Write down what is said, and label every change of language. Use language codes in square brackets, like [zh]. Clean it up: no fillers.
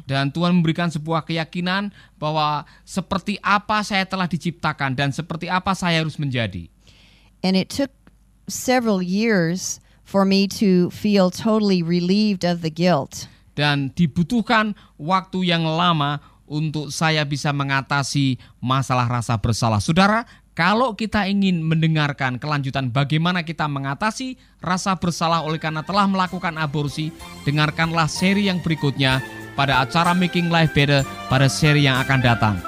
[id] Dan Tuhan memberikan sebuah keyakinan bahwa seperti apa saya telah diciptakan dan seperti apa saya harus menjadi. [en] And it took several years for me to feel totally relieved of the guilt. [id] Dan dibutuhkan waktu yang lama untuk saya bisa mengatasi masalah rasa bersalah. Saudara, kalau kita ingin mendengarkan kelanjutan bagaimana kita mengatasi rasa bersalah oleh karena telah melakukan aborsi, dengarkanlah seri yang berikutnya pada acara Making Life Better pada seri yang akan datang.